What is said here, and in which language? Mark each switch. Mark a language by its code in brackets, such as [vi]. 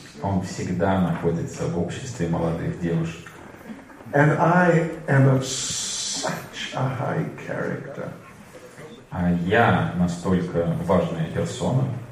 [ru] Он всегда находится в обществе молодых девушек. [en] And I am of such a high character. [ru] А я настолько важная персона.